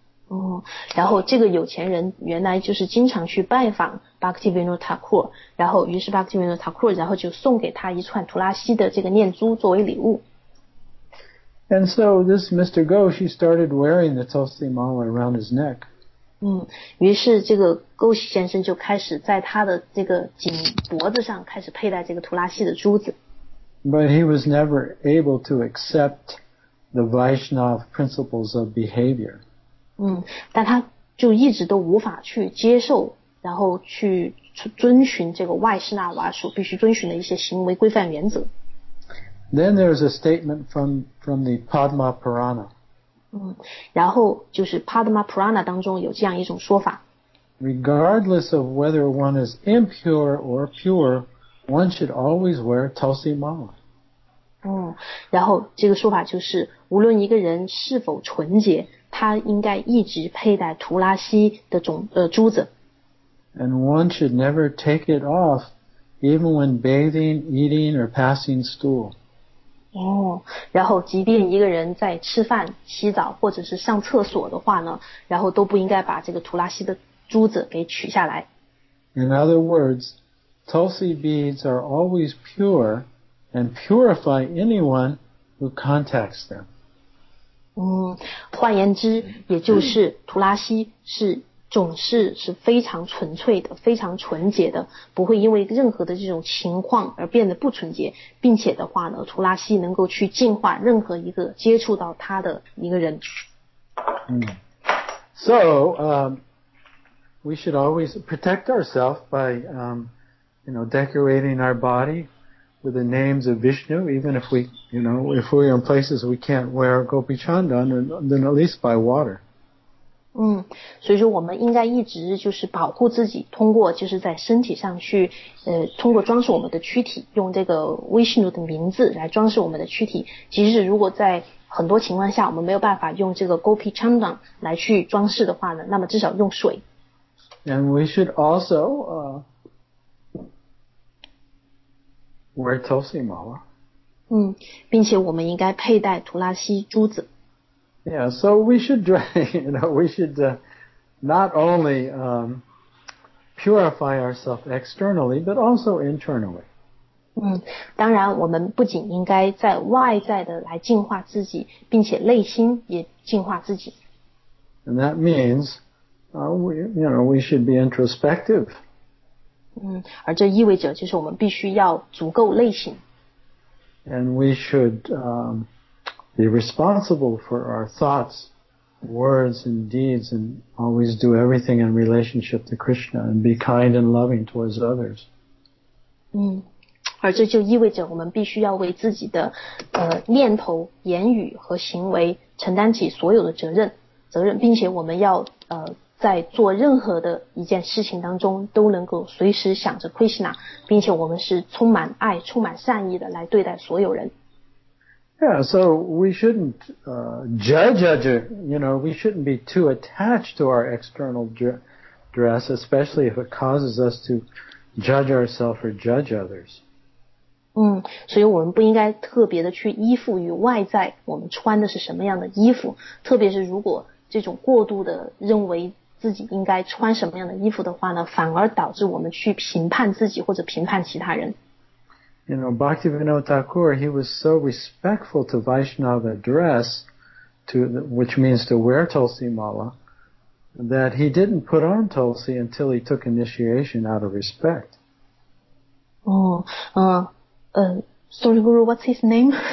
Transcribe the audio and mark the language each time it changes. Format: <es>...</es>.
<zh>哦，然后这个有钱人原来就是经常去拜访 Bhaktivinoda Thakur， 然后于是 Bhaktivinoda Thakur 然后就送给他一串图拉西的这个念珠作为礼物。</zh> <en>And so this Mr. Ghosh, he started wearing the Tulsi Mala around his neck.</en> <zh>嗯，于是这个 Ghosh 先生就开始在他的这个颈脖子上开始佩戴这个图拉西的珠子。</zh> <en>But he was never able to accept the Vaishnav principles of behavior.</en> <zh>嗯，但他就一直都无法去接受，然后去遵循这个外士纳瓦所必须遵循的一些行为规范原则。</zh> <en>Then there's a statement from the Padma Purana.</en> <zh>嗯，然后就是 Padma Purana 当中有这样一种说法。</zh> <en>Regardless of whether one is impure or pure, one should always wear Tulsi Mala.</en> <zh>嗯，然后这个说法就是，无论一个人是否纯洁，他应该一直佩戴图拉西的珠子。</zh> <en>And one should never take it off, even when bathing, eating, or passing stool.</en> <zh>哦，然后即便一个人在吃饭、洗澡或者是上厕所的话呢，然后都不应该把这个图拉西的珠子给取下来。</zh> <en>In other words, Tulsi beads are always pure and purify anyone who contacts them.</en> <zh>嗯，换言之，也就是图拉西是总是是非常纯粹的，非常纯洁的，不会因为任何的这种情况而变得不纯洁，并且的话呢，图拉西能够去净化任何一个接触到他的一个人。</zh> <en>So, we should always protect ourselves by, you know, decorating our body with the names of Vishnu, even if we, you know, if we're in places we can't wear Gopi Chandan, then at least by water.</en> <zh>嗯，所以说我们应该一直就是保护自己，通过就是在身体上去，通过装饰我们的躯体，用这个 Vishnu 的名字来装饰我们的躯体。即使如果在很多情况下我们没有办法用这个 Gopi Chandan 来去装饰的话呢，那么至少用水。</zh> <en>And we should also wear Tulsi Mala.</en> <zh>嗯，并且我们应该佩戴图拉西珠子。</zh> <en>Yeah, so we should, you know, we should not only purify ourselves externally, but also internally.</en> <zh>嗯，当然，我们不仅应该在外在的来净化自己，并且内心也净化自己。</zh> <en>And that means, we should be introspective.</en> <zh>嗯，而这意味着就是我们必须要足够内省。</zh> <en>And we should. Be responsible for our thoughts, words, and deeds, and always do everything in relationship to Krishna, and be kind and loving towards others.</en> <zh>嗯，而这就意味着我们必须要为自己的念头、言语和行为承担起所有的责任，并且我们要在做任何的一件事情当中都能够随时想着 Krishna， 并且我们是充满爱、充满善意的来对待所有人。</zh> <en>Yeah, so we shouldn't judge, you know, we shouldn't be too attached to our external dress, especially if it causes us to judge ourselves or judge others.</en> <zh>嗯，所以我们不应该特别的去依附于外在，我们穿的是什么样的衣服，特别是如果这种过度的认为自己应该穿什么样的衣服的话呢，反而导致我们去评判自己或者评判其他人。</zh> <en>You know, Bhaktivinoda Thakur, he was so respectful to Vaishnava dress, which means to wear Tulsi Mala, that he didn't put on Tulsi until he took initiation out of respect. Sorry Guru, what's his name?</en>